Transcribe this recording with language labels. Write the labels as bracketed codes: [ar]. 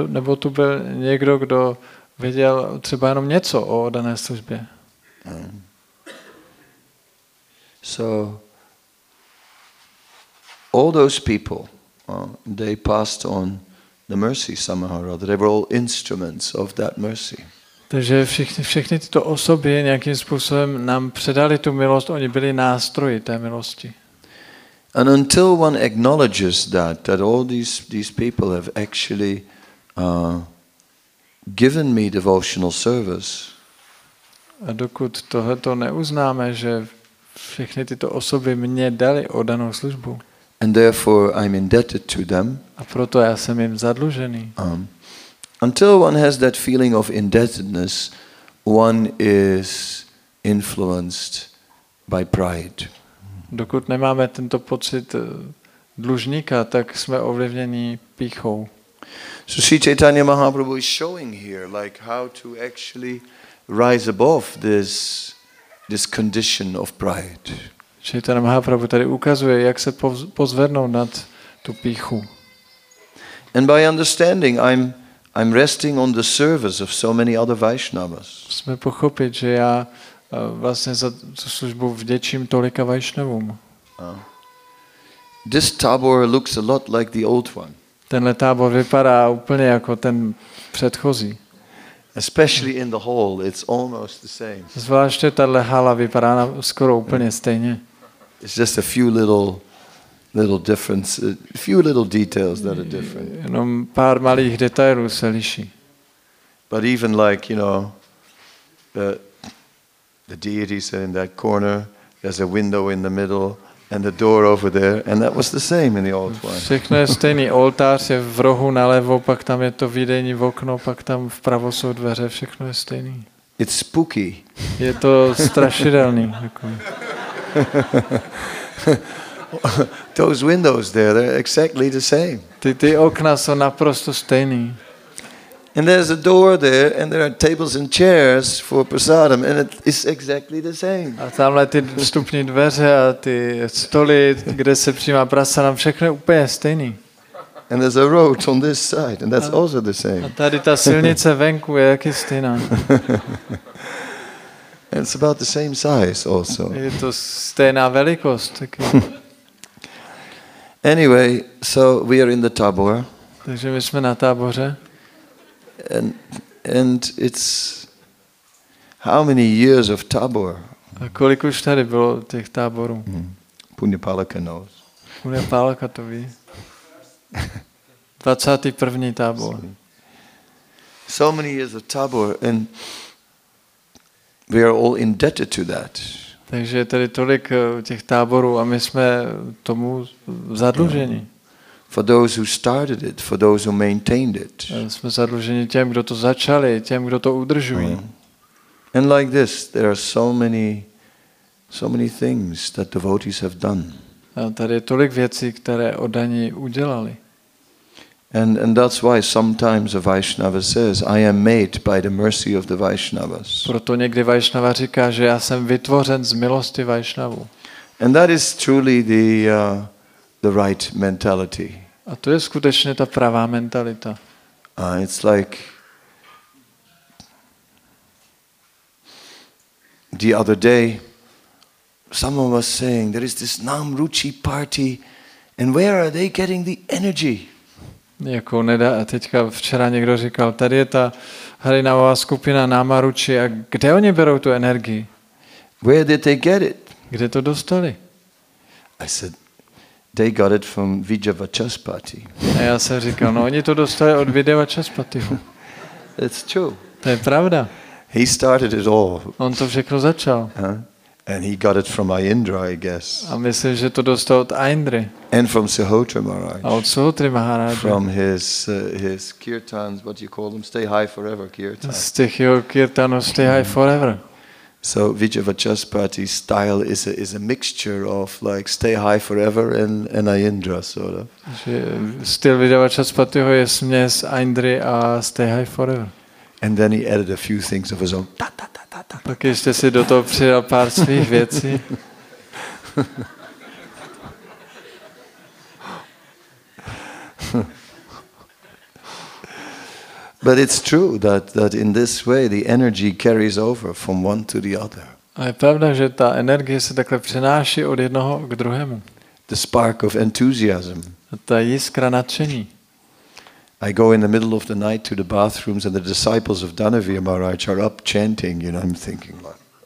[cs] Nebo tu byl někdo, kdo věděl třeba jenom něco o oddané službě. [en] So all those people, they passed on the mercy somehow or other. They were all instruments of that mercy. [cs] Takže všechny tyto osoby nějakým způsobem nám předali tu milost. Oni byli nástroji té milosti. [en] And until one acknowledges that all these people have actually given me devotional service. [cs] A dokud tohleto neuznáme, že všechny tyto osoby mě dali oddanou službu. [en] And therefore I'm indebted to them. [cs] A proto já jsem jim zadlužený. [en] Until one has that feeling of indebtedness, one is influenced by pride. [cs] Dokud nemáme tento pocit dlužníka, tak jsme ovlivněni pýchou. [en] So Sri Chaitanya Mahaprabhu is showing here like how to actually rise above this condition of pride. [cs] Chaitanya Mahaprabhu tady ukazuje, jak se pozvednout nad tu pýchu. [en] And by understanding, I'm resting on the service of so many other Vaishnavas. [cs] Musíme pochopit, že já vlastně za tu službu vděčím tolika Vaishnavům. [en] This tabor looks a lot like the old one. [cs] Tenhle tábor vypadá úplně jako ten předchozí. [en] Especially in the hall, it's almost the same. [cs] Zvláště tato hala vypadá skoro úplně stejně. [en] It's just a few little differences, a few little details that are different. [cs] Jenom pár malých detailů se liší. [en] But even like, you know, the deities are in that corner, there's a window in the middle and the door over there, and that was the same in the old one. [cs] Všechno je stejný, oltář je v rohu nalevo, pak tam je to výdejní okno, pak tam vpravo jsou dveře, všechno je stejný. [en] It's spooky. [cs] Je to strašidelný. Jako. [en] Those windows there, they're exactly the same. [cs] Ty okna jsou naprosto stejný. [en] And there's a door there, and there are tables and chairs for prasadam, and it is exactly the same. [cs] A tamhle ty vstupní dveře a ty stoly, kde se přijímá prasadam, všechno úplně stejný. [en] And there's a road on this side, and that's also the same. [cs] A tady ta silnice venku je taky stejná. [en] And it's about the same size also. [cs] Je to stejná velikost taky. [en] Anyway, so we are in the tabor. [cs] Takže my jsme na táboře. [en] And it's how many years of tabor? [cs] A kolik už tady bylo těch táborů? [en] Punyapalaka knows. [cs] Punyapalaka to ví. 21. tábor. [en] So many years of tabor, and we are all indebted to that. [cs] Takže tady tolik těch táborů a my jsme tomu zadluženi. [en] For those who started it, for those who maintained it. [cs] Jsme zadluženi těm, kdo to začali, těm, kdo to udržují. [en] And like this, there are so many things that devotees have done. [cs] A tady je tolik věcí, které oddaní udělali. [en] And that's why sometimes a Vaishnava says, I am made by the mercy of the Vaishnavas. [cs] Proto někdy Vaishnava říká, že já jsem vytvořen z milosti Vaishnavu. [en] And that is truly the right mentality. [cs] A to je skutečně ta pravá mentalita. [en] It's like the other day someone was saying, there is this Namruchi party, and where are they getting the energy? [cs] Jako nedá, teďka včera někdo říkal, tady je ta Harinamová skupina Namruchi, a kde oni berou tu energii? [en] Where did they get it? [cs] Kde to dostali? [en] I said, they got it from Vijayavachaspati. [cs] A já jsem říkal, no oni to dostali od Vijayavachaspatiho. [en] It's true. [cs] To je pravda. [en] He started it all. [cs] On to všechno začal. [en] And he got it from Aindra, I guess. [cs] A myslím, že to dostal od Aindry. [en] And from Sahotra Maharaj. [cs] A od Sahotry Maharaj. [en] From his kirtans, what do you call them? Stay high forever, kirtan. [cs] Z těch jeho kirtanů, [en] stay high forever. So Vijayavachaspati's style is a mixture of like stay high forever and Aindra sort of. [cs] Styl Vijayavachaspatiho je směs Aindry a [en] stay high forever. And then he added a few things of his own. [cs] Pak ještě si do toho přidal pár svých věcí. [en] But it's true that in this way the energy carries over from one to the other. [cs] A je pravda, že ta energie se takhle přenáší od jednoho k druhému. [en] The spark of enthusiasm. [cs] Ta jiskra nadšení. [en] I go in the middle of the night to the bathrooms and the disciples of Dhanavir Maharaj are up chanting, you know, I'm thinking like.